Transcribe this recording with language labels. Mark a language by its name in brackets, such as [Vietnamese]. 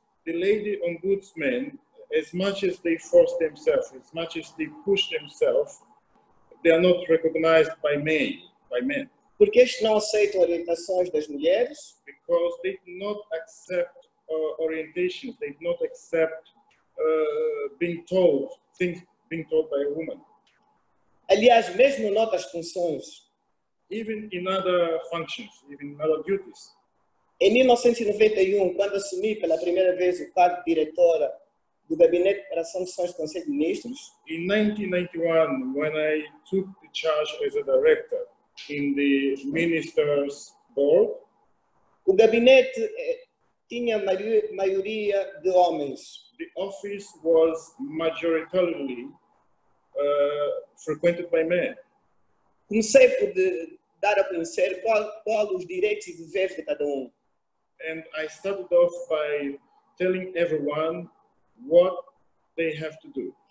[English] The lady ombudsmen, as much as they force themselves, as much as they push themselves, they are not recognized by men. [Portuguese] Porque eles não aceitam orientações das mulheres? [English] Because they do not accept orientations, they do not accept things being told by a woman. [Portuguese] Aliás, mesmo em outras funções. [English] Even in other functions, even in other duties. [Portuguese] Em 1991, quando assumi pela primeira vez o cargo de diretora do Gabinete para Sanções do Conselho de Ministros. [English] In 1991, when I took the charge as a director in the Minister's Board. [Portuguese] O gabinete tinha maioria de homens. [English] The office was majoritarily frequented by men. [Portuguese] Comecei por dar a conhecer qual os direitos e deveres de cada um. [English] And I started off by telling everyone what they have to do.